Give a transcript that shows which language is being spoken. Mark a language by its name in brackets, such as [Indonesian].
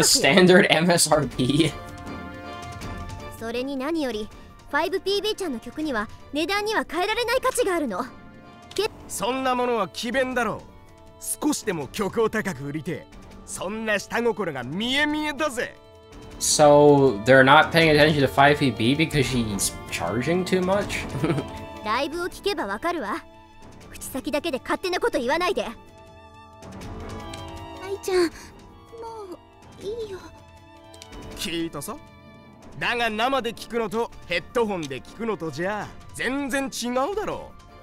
[English] It's the standard MSRP. [Japanese] それに何より、5PB ちゃんの曲には値段には変えられない価値があるの。そんなものは奇弁だろう。少しでも曲を高く売りて、そんな下心が見え見えだぜ。 [English] So they're not paying attention to 5PB because she's charging too much? [Japanese] ライブを聞けばわかるわ。口先だけで勝手なこと言わないで。アイちゃん、もういいよ。聞いたさ。だが生で聞くのとヘッドホンで聞くのとじゃ全然違うだろう。